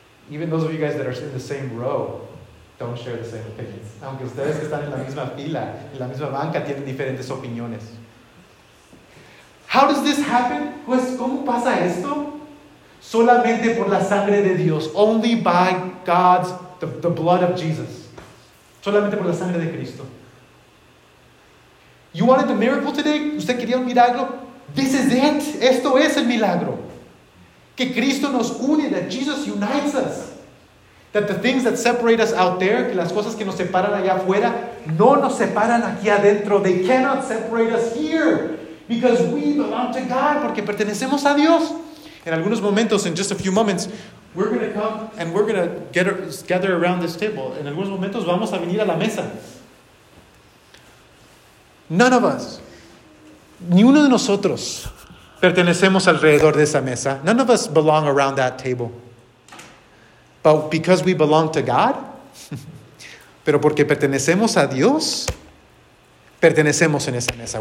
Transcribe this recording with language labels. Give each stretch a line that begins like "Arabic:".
English: Even those of you guys that are in the same row don't share the same opinions.
Spanish: Aunque ustedes que están en la misma fila, en la misma banca, tienen diferentes opiniones.
English: How does this happen?
Spanish: Pues, ¿cómo pasa esto? Solamente por la sangre de Dios.
English: Only by God's, the blood of Jesus.
Spanish: Solamente por la sangre de Cristo.
English: You wanted the miracle today?
Spanish: ¿Usted quería un milagro?
English: This is it.
Spanish: Esto es el milagro. Que Cristo nos une,
English: that Jesus unites us. That the things that separate us out there,
Spanish: que las cosas que nos separan allá afuera, no nos separan aquí adentro.
English: They cannot separate us here. Because we belong to God,
Spanish: porque pertenecemos a Dios. En algunos momentos,
English: in just a few moments, we're going to come and we're going to gather around this table.
Spanish: En algunos momentos, vamos a venir a la mesa.
English: None of us,
Spanish: ni uno de nosotros, pertenecemos alrededor de esa mesa.
English: None of us belong around that table. But because we belong to God,
Spanish: pero porque pertenecemos a Dios, pertenecemos en esa mesa.